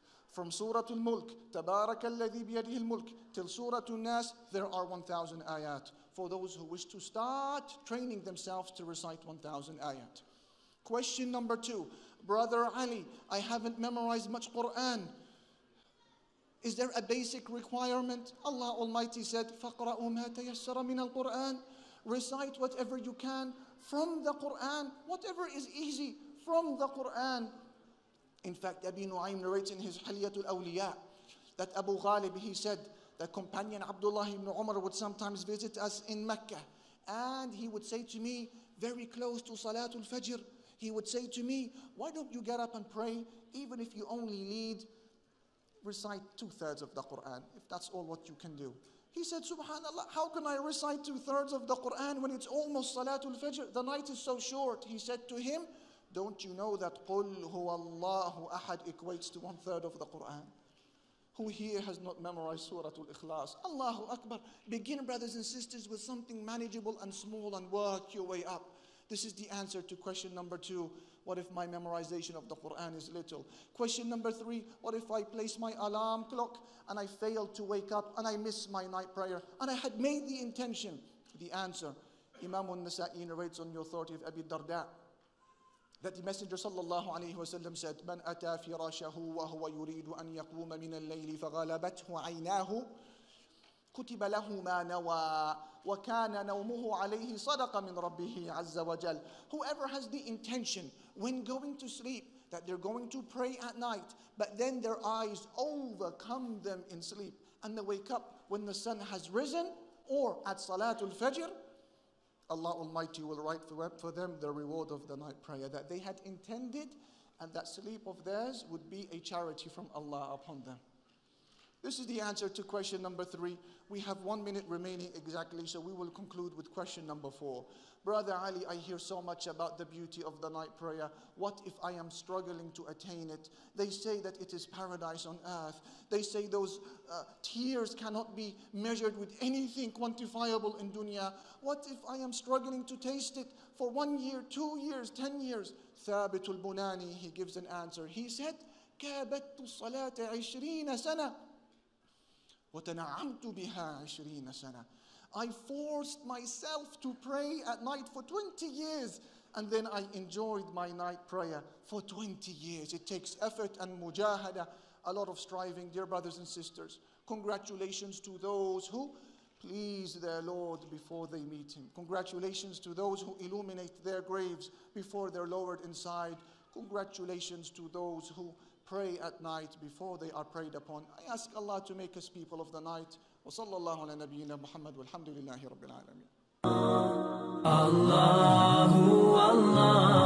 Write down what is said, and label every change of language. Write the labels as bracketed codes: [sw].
[en] From Surah Al-Mulk, Tabarak Alladhi Biyadihi Al-Mulk, till Surah Al-Nas, there are 1,000 ayat. For those who wish to start training themselves to recite 1,000 ayat. Question number two, Brother Ali, I haven't memorized much Quran. Is there a basic requirement? Allah Almighty said, [ar] فَقْرَأُوا مَا تَيَسَّرَ مِنَ الْقُرْآنِ. [en] Recite whatever you can from the Qur'an. Whatever is easy from the Qur'an. In fact, Abi Nu'aym narrates in his Hilyatul Awliya that Abu Ghalib, he said, the companion Abdullah ibn Umar would sometimes visit us in Mecca. And he would say to me, very close to Salatul Fajr, he would say to me, why don't you get up and pray, even if you only lead recite two-thirds of the Qur'an, if that's all what you can do. He said, subhanAllah, how can I recite two-thirds of the Qur'an when it's almost Salatul Fajr? The night is so short. He said to him, don't you know that [ar] قُلْ هُوَ اللَّهُ أَحَدْ [en] equates to one-third of the Qur'an? Who here has not memorized Surah Al-Ikhlas? Allahu Akbar. Begin, brothers and sisters, with something manageable and small and work your way up. This is the answer to question number two. What if my memorization of the Quran is little? Question number three, what if I place my alarm clock and I fail to wake up and I miss my night prayer and I had made the intention? The answer, Imam al-Nasa'i narrates on the authority of Abi Darda that the Messenger sallallahu alayhi wa sallam said, [ar] من أتى فراشه وهو يريد أن يقوم من الليل فغلبته عيناه كتب له ما نوى وكان نومه عليه صدقة من ربه عز وجل. [en] Whoever has the intention when going to sleep that they're going to pray at night, but then their eyes overcome them in sleep and they wake up when the sun has risen or at Salatul Fajr, Allah Almighty will write for them the reward of the night prayer that they had intended, and that sleep of theirs would be a charity from Allah upon them. This is the answer to question number 3. We have 1 minute remaining exactly, so we will conclude with question number 4. Brother Ali, I hear so much about the beauty of the night prayer. What if I am struggling to attain it? They say that it is paradise on earth. They say those tears cannot be measured with anything quantifiable in dunya. What if I am struggling to taste it for 1 year, 2 years, 10 years? Thabit al-Bunani, he gives an answer. He said, [ar] كَابَتُ الصَّلَاةَ 20 سَنَةً وَتَنَعَمْتُ بِهَا 20 سَنَةً. [en] I forced myself to pray at night for 20 years, and then I enjoyed my night prayer for 20 years. It takes effort and mujahada, a lot of striving, dear brothers and sisters. Congratulations to those who please their Lord before they meet Him. Congratulations to those who illuminate their graves before they're lowered inside. Congratulations to those who pray at night before they are prayed upon. I ask Allah to make us people of the night. [ar] وصلى الله على نبينا محمد والحمد لله رب العالمين. الله الله.